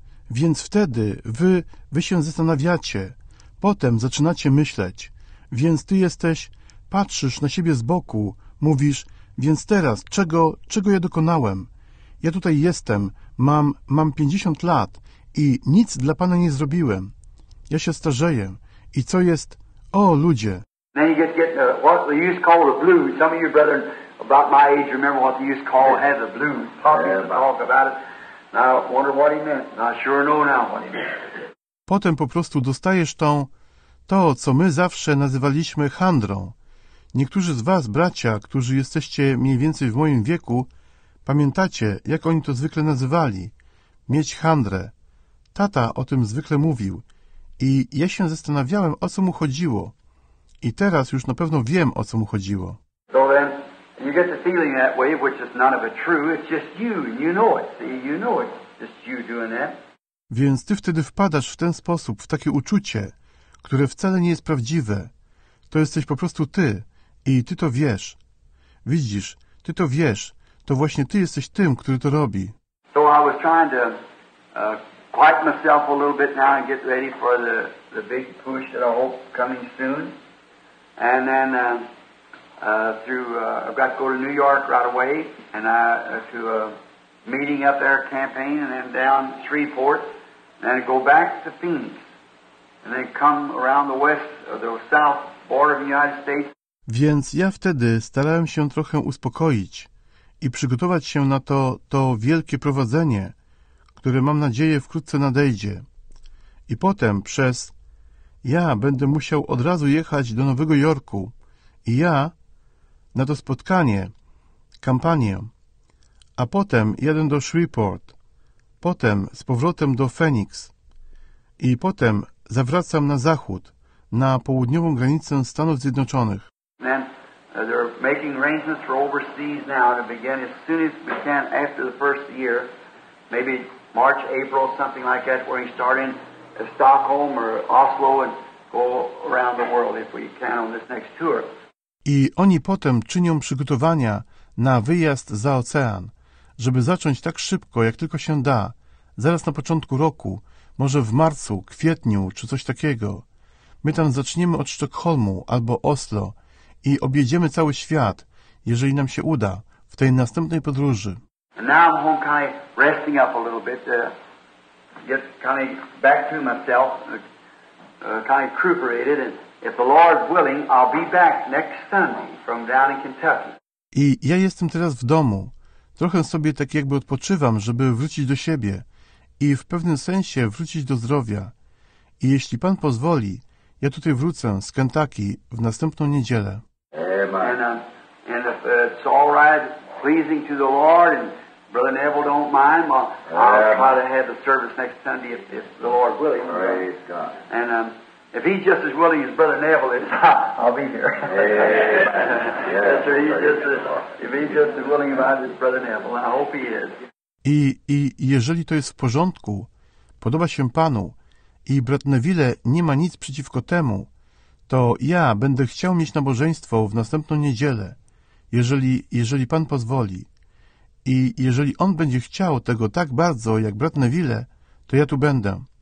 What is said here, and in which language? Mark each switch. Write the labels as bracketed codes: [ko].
[pl] Więc wtedy wy się zastanawiacie, potem zaczynacie myśleć, więc ty jesteś, patrzysz na siebie z boku, mówisz, więc teraz, czego ja dokonałem? Ja tutaj jestem, mam 50 lat i nic dla Pana nie zrobiłem. Ja się starzeję i co jest, o ludzie. [en] Then you get what they used to call the blues. Some of you brethren about my age remember what they used to call have the blues. Talk about it. Now I wonder what he meant. Now I sure know now what he meant. [pl] Potem po prostu dostajesz to, co my zawsze nazywaliśmy chandrą. Niektórzy z was, bracia, którzy jesteście mniej więcej w moim wieku, pamiętacie, jak oni to zwykle nazywali. Mieć chandrę. Tata o tym zwykle mówił. I ja się zastanawiałem, o co mu chodziło. I teraz już na pewno wiem, o co mu chodziło. [en] So then you get the feeling that way, which is none of it true. It's just you, and you know it. See, you know it. Just you doing that. [pl] Więc ty wtedy wpadasz w ten sposób, w takie uczucie, które wcale nie jest prawdziwe. To jesteś po prostu ty i ty to wiesz. Widzisz, ty to wiesz. To właśnie ty jesteś tym, który to robi. [en] So I was trying to quiet myself a little bit now and get ready for the big push that I hope coming soon. And then I've got to go to New York right away and to a meeting up there, campaign, and then down Shreveport, and then go back to Phoenix. And then come around the west or the south border of the United States. [pl] Więc ja wtedy starałem się trochę uspokoić i przygotować się na to wielkie prowadzenie, które mam nadzieję wkrótce nadejdzie. I potem przez... Ja będę musiał od razu jechać do Nowego Jorku i ja na to spotkanie, kampanię, a potem jadę do Shreveport, potem z powrotem do Phoenix i potem zawracam na zachód, na południową granicę Stanów Zjednoczonych. [en] Then, they're making arrangements for overseas now to begin as soon as we can after the first year, maybe March, April, something like that, where he's starting Stockholm or Oslo and go around the world if we can on this next tour. [pl] I oni potem czynią przygotowania na wyjazd za ocean, żeby zacząć tak szybko, jak tylko się da, zaraz na początku roku, może w marcu, kwietniu czy coś takiego. My tam zaczniemy od Sztokholmu albo Oslo i objedziemy cały świat, jeżeli nam się uda, w tej następnej podróży. [en] And now I'm home kind of resting up a little bit. get kind of back to myself, kind of recuperated, and if the Lord's willing, I'll be back next Sunday from down in Kentucky. [pl] I ja jestem teraz w domu. Trochę sobie tak jakby odpoczywam, żeby wrócić do siebie i w pewnym sensie wrócić do zdrowia. I jeśli Pan pozwoli, ja tutaj wrócę z Kentucky w następną niedzielę. Amen. [en] And if it's all right, pleasing to the Lord, and Brother Neville don't mind, well, I'll try to have the service next Sunday if the Lord willing. Praise God. And if he's just as willing as Brother Neville is, I'll be here. Yeah. Yes, sir, if he's just as willing about it as Brother Neville, and I hope he is. [pl] I jeżeli to jest w porządku, podoba się Panu, i brat Neville nie ma nic przeciwko temu, to ja będę chciał mieć nabożeństwo w następną niedzielę, jeżeli Pan pozwoli. I jeżeli on będzie chciał tego tak bardzo, jak brat Neville, to ja tu będę.